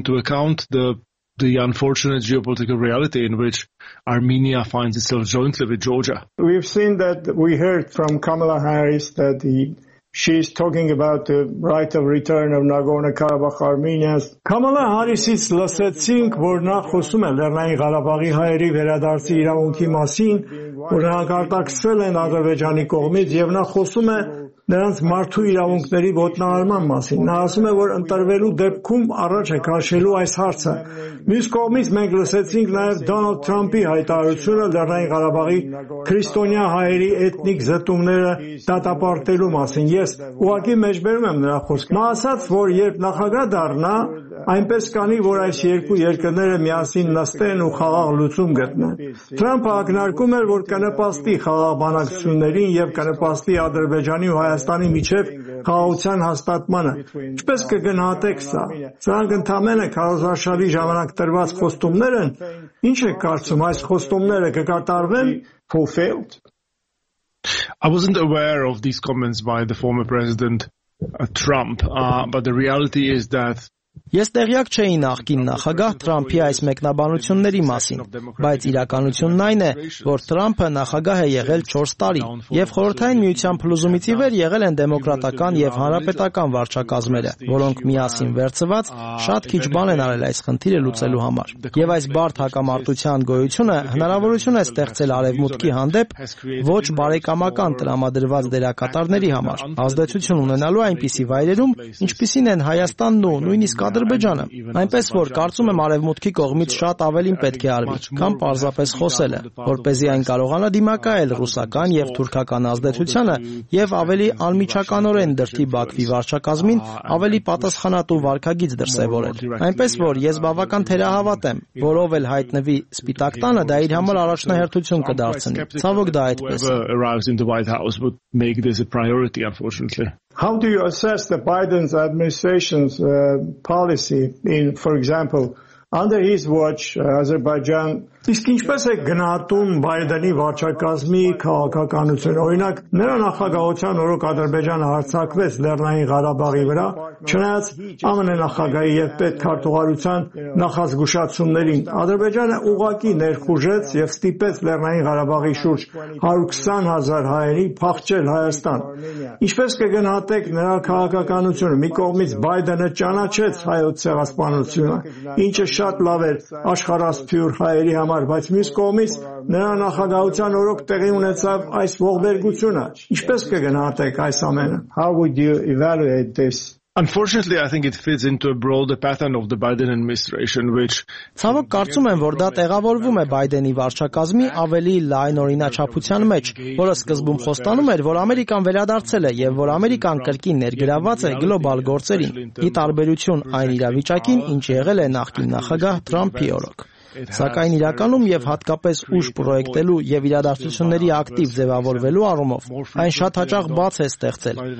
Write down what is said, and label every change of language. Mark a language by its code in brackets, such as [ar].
[en] The unfortunate geopolitical reality in which Armenia finds itself jointly with Georgia. We've seen that we heard from Kamala Harris that she's talking about the right of return of Nagorno-Karabakh Armenians. [hy] Kamala Harris-ից լսեցինք, որ նա խոսում է Լեռնային Ղարաբաղի հայերի վերադարձի իրավունքի մասին, որ հակարտակցվել են Ադրբեջանի կողմից եւ նա խոսում է նրանց մարդու իրավունքների ոտնահարման մասին։ Նա ասում է, որ ընտրվելու դեպքում առաջ է քաշելու այս հարցը։ Մյուս կողմից մենք լսեցինք նաև Դոնալդ Թրամփի հայտարարությունը Լեռնային Ղարաբաղի քրիստոնյա հայերի էթնիկ զտումները դատապարտելու մասին։ Ես ուղղակի մեջբերում եմ նրա խոսքը։ Նա ասաց, որ երբ նախագահ դառնա, այնպես կանի, որ այս երկու երկրները միասին նստեն ու խաղաղ լուծում գտնեն։ Թրամփը ակնարկում էր, որ կնպաստի խաղաղբանակցություններին եւ կնպաստի Ադրբեջանի ու Հայաստանի միջև խաղաղության հաստատմանը։ Ինչպես կգնահատեք սա։ Սրանք ընդամենը քարոզարշավի ժամանակ տրված խոստումներ են։ Ինչ է կարծում, այս խոստումները կկատարվեն [en] fulfilled։ I wasn't aware of these comments by the former president Trump, but the reality is that [hy] Ես տեղյակ չէի նախկին նախագահ Թրամփի այս մեկնաբանությունների մասին, բայց իրականությունն այն է, որ Թրամփը նախագահ է եղել 4 տարի, եւ խորհրդային միության փլուզումից ի վեր եղել են դեմոկրատական եւ հանրապետական վարչակազմերը, որոնք միասին վերծված շատ քիչ բան են արել այս խնդիրը լուծելու համար։ Եվ այս բարդ հակամարտության գոյությունը հնարավորություն է ստեղծել արևմուտքի հանդեպ ոչ բարեկամական տրամադրված դերակատարների համար ազդեցություն ունենալու այնպիսի վայրերում, ինչպիսին են Հայաստանն ու նույնիսկ Ադրբեջանը, այնպես որ կարծում եմ արևմուտքի կողմից շատ ավելին պետք է արվի, կամ պարզապես խոսելը, որպեսզի այն կարողանա դիմակայել ռուսական եւ թուրքական ազդեցությանը եւ ավելի անմիջականորեն դրդի Բաքվի վարչակազմին ավելի պատասխանատու վարքագիծ դրսեւորել։ Այնպես որ ես բավական թերահավատ եմ, որով էլ հայտնվի Սպիտակ տանը, դա իր համար առաջնահերթություն կդարձնի։ Ցավոք դա այդպես է։ [en] How do you assess the Biden's administration's policy in, for example, under his watch, Azerbaijan? [hy] Իսկ ինչպես է գնահատում Բայդենի վարչակազմի քաղաքականությունը։ Օրինակ, նրա նախագահության օրոք Ադրբեջանը հարձակվեց Լեռնային Ղարաբաղի վրա, չնայած ԱՄՆ նախագահի եւ պետ քարտուղարության նախազգուշացումներին։ Ադրբեջանը ուղղակի ներխուժեց եւ ստիպեց Լեռնային Ղարաբաղի շուրջ 120,000 հայերի փախչել Հայաստան։ Ինչպես կգնահատեք նրա քաղաքականությունը։ Մի կողմից Բայդենը ճանաչեց հայոց ցեղասպանությունը, ինչը շատ լավ էր աշխարհասփյուր հայերի համար, բայց մյուս կողմից նրա նախագահության օրոք տեղի ունեցավ այս ողբերգությունը։ Ինչպես կգնահատեք այս ամենը? [en] How would you evaluate this? Unfortunately, I think it fits into a broader pattern of the Biden administration, which [hy] Ցավոք կարծում եմ, որ դա տեղավորվում է Բայդենի վարչակազմի ավելի լայն օրինաչափության մեջ, որը սկզբում խոստանում էր, որ Ամերիկան վերադարձել է եւ որ Ամերիկան կրկին ներգրաված է գլոբալ գործերին, ի տարբերություն այն իրավիճակին, ինչ եղել է նախկին նախագահ Թրամփի օրոք։ Սակայն իրականում եւ հատկապես ուշ պրոյեկտելու եւ իրադարձությունների ակտիվ ձևավորվելու առումով այն շատ հաճախ բաց է ստեղծել,